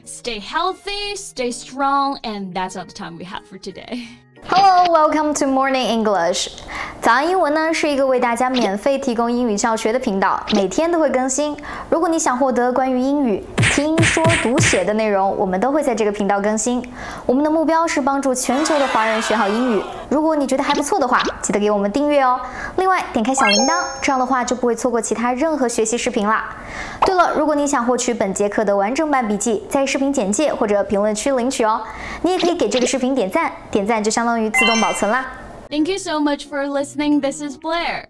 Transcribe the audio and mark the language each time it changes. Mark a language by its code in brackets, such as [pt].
[en] Stay healthy, stay strong and that's all the time we have for today Hello, welcome to Morning English. [zh] 早安英文呢是一个为大家免费提供英语教学的频道，每天都会更新。如果你想获得关于英语听说读写的内容，我们都会在这个频道更新。我们的目标是帮助全球的华人学好英语。如果你觉得还不错的话，记得给我们订阅哦。另外，点开小铃铛，这样的话就不会错过其他任何学习视频啦。对了，如果你想获取本节课的完整版笔记，在视频简介或者评论区领取哦。你也可以给这个视频点赞，点赞就相当于自动保存啦。 [en] Thank you so much for listening. This is Blair.